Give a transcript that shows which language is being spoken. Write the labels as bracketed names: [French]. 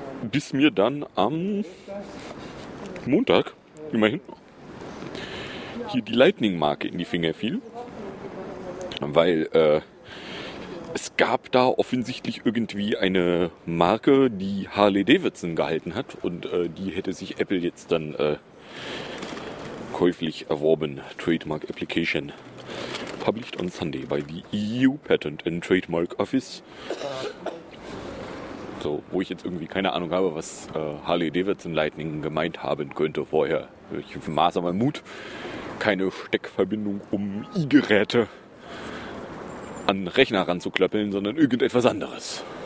[German] Bis mir dann am Montag, immerhin, hier die Lightning-Marke in die Finger fiel. Weil es gab da offensichtlich irgendwie eine Marke, die Harley-Davidson gehalten hat. Und die hätte sich Apple jetzt dann käuflich erworben. [English] Trademark Application. Published on Sunday by the EU Patent and Trademark Office. [German] So, wo ich jetzt irgendwie keine Ahnung habe, was Harley-Davidson Lightning gemeint haben könnte vorher. Ich maße mal Mut. Keine Steckverbindung um E-Geräte an Rechner ranzuklöppeln, sondern irgendetwas anderes.